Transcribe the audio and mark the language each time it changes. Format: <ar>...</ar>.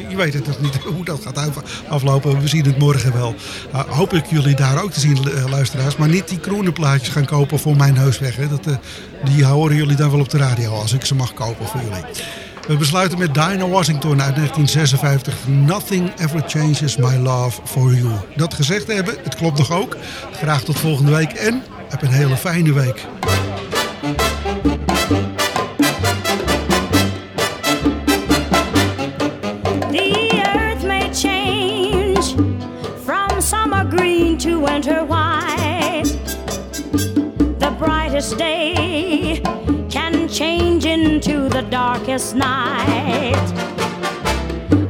<nl>Je weet het nog niet hoe dat gaat aflopen. We zien het morgen wel. Hoop ik jullie daar ook te zien, luisteraars. Maar niet die kroonenplaatjes gaan kopen voor mijn neus weg. Die horen jullie dan wel op de radio als ik ze mag kopen voor jullie. We besluiten met Dinah Washington uit 1956.</nl> <en>Nothing ever changes my love for you.</en> <nl>Dat gezegd hebben, het klopt nog ook. Graag tot volgende week en heb een hele fijne week.</nl> <en>The earth may change from summer green to winter white. The brightest day change into the darkest night.</en>